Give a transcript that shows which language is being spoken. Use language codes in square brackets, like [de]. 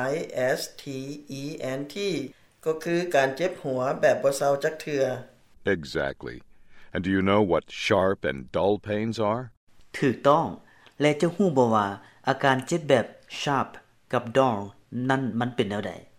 [tts] P-E-R-S-I-S-T-E-N-T. ก็คือการเจ็บหัวแบบบ่เซาจักเทื่อ [en] Exactly. And do you know what sharp and dull pains are? [tts] ถูกต้องและจะฮู้บ่ว่าอาการเจ็บแบบ sharp กับ dull นั่นมันเป็นแนวใด